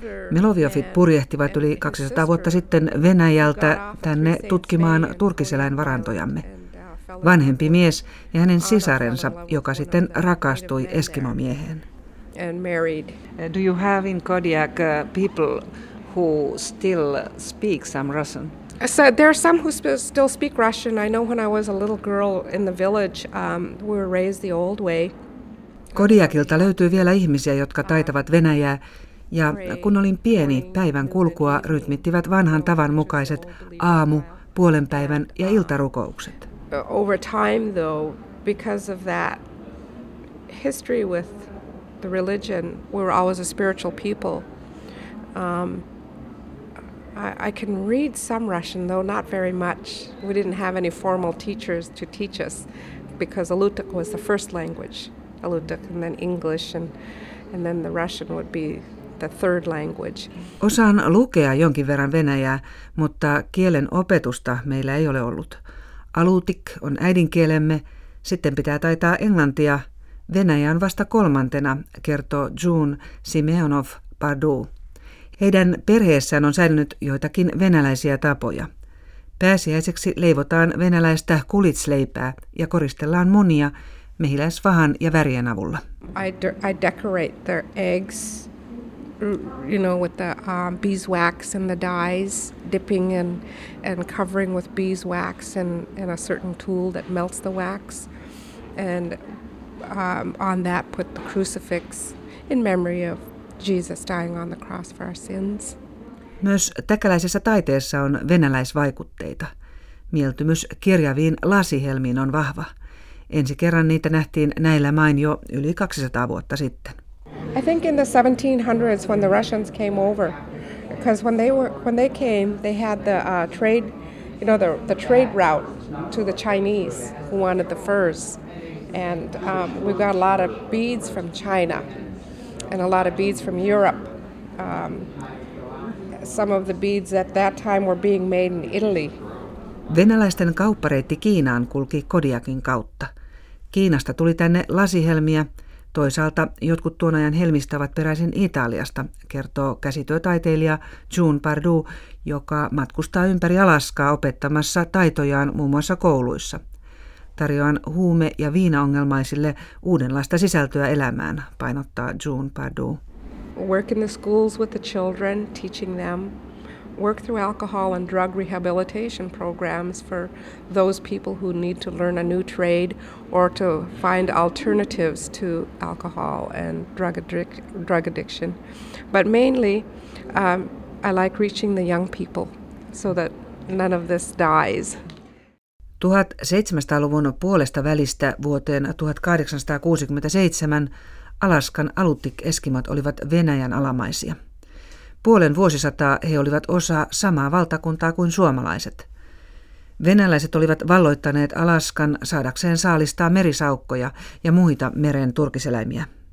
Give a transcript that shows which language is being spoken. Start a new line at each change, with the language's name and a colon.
Finnish: Meloviofit purjehtivat yli 200 vuotta sitten Venäjältä tänne tutkimaan turkiseläinvarantojamme. Vanhempi mies ja hänen sisarensa, joka sitten rakastui eskimomieheen.
English: And married. Do you have in Kodiak people who still speak some Russian? So there are some who still speak Russian. I know when I was a little girl in the village, we were raised the old way.
Finnish: Kodiakilta löytyy vielä ihmisiä, jotka taitavat venäjää, ja kun olin pieni, päivän kulkua rytmittivät vanhan tavan mukaiset aamu, puolenpäivän ja iltarukoukset.
English: Over time though, because of that history with the religion, we were always a spiritual people. I can read some Russian, though not very much. We didn't have any formal teachers to teach us because Aleutic was the first language. Aleutic and then English and then the Russian would be the third language.
Finnish: Osaan lukea jonkin verran venäjää, mutta kielen opetusta meillä ei ole ollut. Aleutic on äidinkielemme, sitten pitää taitaa englantia. Venäjä on vasta kolmantena, kertoo June Simeonov Padu. Heidän perheessään on säilynyt joitakin venäläisiä tapoja. Pääsiäiseksi leivotaan venäläistä kulitsleipää ja koristellaan munia mehiläisvahan ja värien avulla.
English: I decorate their eggs, you know, with the beeswax and the dyes, dipping and covering with beeswax and a certain tool that melts the wax. And on that put the crucifix in memory of Jesus dying on the cross for our sins.
Finnish: Myös täkäläisessä taiteessa on venäläisvaikutteita. Mieltymys kirjaviin lasihelmiin on vahva. Ensi kerran niitä nähtiin näillä main jo yli 200 vuotta sitten.
English: I think in the 1700s when the Russians came over, because when they came, they had the trade, you know, the trade route to the Chinese who wanted the furs. And we got a lot of beads from China and a lot of beads from Europe. Some of the beads at that time were being made in Italy.
Finnish: Venäläisten kauppareitti Kiinaan kulki Kodiakin kautta. Kiinasta tuli tänne lasihelmiä. Toisaalta jotkut tuon ajan helmistä ovat peräisin Italiasta, kertoo käsityötaiteilija June Pardu, joka matkustaa ympäri Alaskaa opettamassa taitojaan muun muassa kouluissa. Tarjoan huume- ja viinaongelmaisille uudenlaista sisältöä elämään, painottaa June Pardu.
English: Work in the schools with the children, teaching them. Work through alcohol and drug rehabilitation programs for those people who need to learn a new trade or to find alternatives to alcohol and drug addiction. But mainly, I like reaching the young people so that none of this dies.
Finnish: 1700-luvun puolesta välistä vuoteen 1867 Alaskan Aleutic Eskimot olivat Venäjän alamaisia. Puolen vuosisataa he olivat osa samaa valtakuntaa kuin suomalaiset. Venäläiset olivat valloittaneet Alaskan saadakseen saalistaa merisaukkoja ja muita meren turkiseläimiä.